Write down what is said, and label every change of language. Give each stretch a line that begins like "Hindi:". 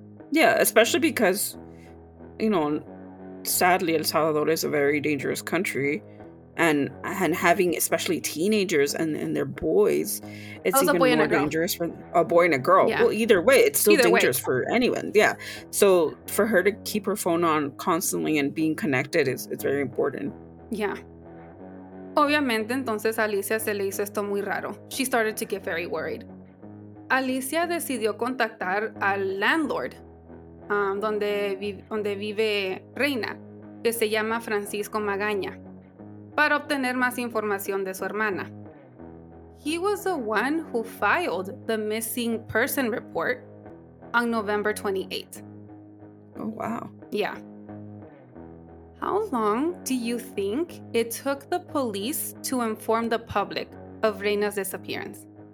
English: Yeah, especially because, you know, sadly, El Salvador is a very dangerous country. And having especially teenagers and their boys, it's even more dangerous for a boy and a girl. Yeah. Well, either way, it's still dangerous for anyone. Yeah. So for her to keep her phone on constantly and being connected, it's very important. Yeah.
Spanish: Obviamente, entonces Alicia se le hizo esto muy raro.
English: She started to get very worried.
Spanish: Alicia decidió contactar al landlord donde vive Reina, que se llama Francisco Magaña, para obtener más información de su hermana.
English: He was the one who filed the missing person report on November 28th. Oh, wow. Yeah. How long do you think it took the police to inform the public of Reina's disappearance?